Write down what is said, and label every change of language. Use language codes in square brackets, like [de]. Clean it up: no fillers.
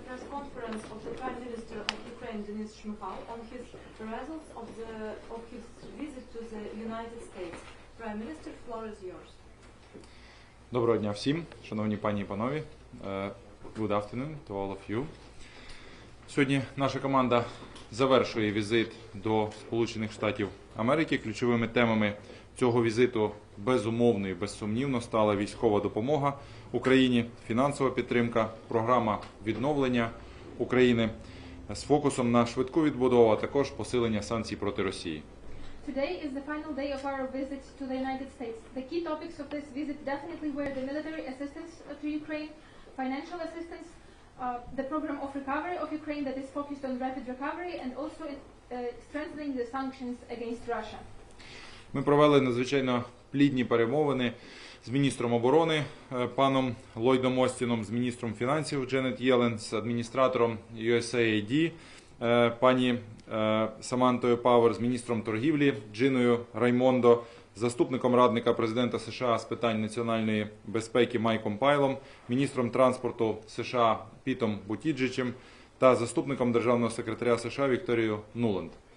[en] conference of the Prime Minister of Ukraine, Denys Shmyhal, on his results of the of his visit to the United States. Prime Minister, floor is yours. [uk] Доброго дня всім, шановні пані і панові. [en] Good afternoon to all of you. [uk] Сьогодні наша команда завершує візит до Сполучених Штатів Америки. Ключовими темами цього візиту безумовно і безсумнівно стала військова допомога Україні, фінансова підтримка, програма відновлення України з фокусом на швидку відбудову, а також посилення санкцій проти Росії. [en] Today is the final day of our visit to the United States. The key topics of this visit definitely were the military assistance to Ukraine, financial assistance, the program of recovery of Ukraine that is focused on rapid recovery, and also strengthening the sanctions against Russia. [uk] Ми провели надзвичайно плідні перемовини з міністром оборони паном Ллойдом Остіном, з міністром фінансів Дженет Єлен, з адміністратором USAID пані Самантою Павер, з міністром торгівлі Джиною Раймондо, заступником радника президента США з питань національної безпеки Майком Пайлом, міністром транспорту США Пітом Бутіджичем та заступником державного секретаря США Вікторією Нуланд.